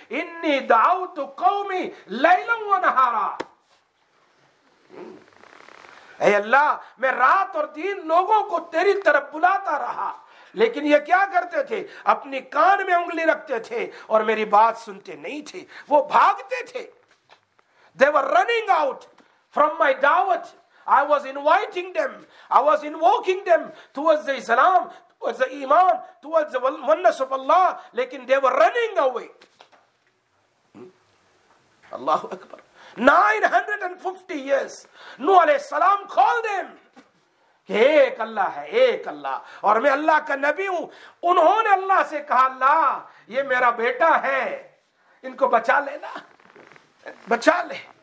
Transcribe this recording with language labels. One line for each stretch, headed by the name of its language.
Arabic: انی دعوت قومی لیلا و نہارا,
Urdu: اے اللہ میں رات اور دن لوگوں کو تیری طرف بلاتا رہا, لیکن یہ کیا کرتے تھے, اپنی کان میں انگلی رکھتے تھے اور میری بات سنتے نہیں تھے, وہ بھاگتے تھے.
English: They were running out from my da'wat. I was inviting them, I was invoking them towards the Islam, towards the Iman, towards the oneness of Allah, لیکن they were running away.
Arabic: اللہ اکبر.
English: 950 years,
Urdu: نوح علیہ السلام
English: call them
Urdu: کہ ایک اللہ ہے, ایک اللہ, اور میں اللہ کا نبی ہوں. انہوں نے اللہ سے کہا, اللہ یہ میرا بیٹا ہے, ان کو بچا لینا, بچا لے.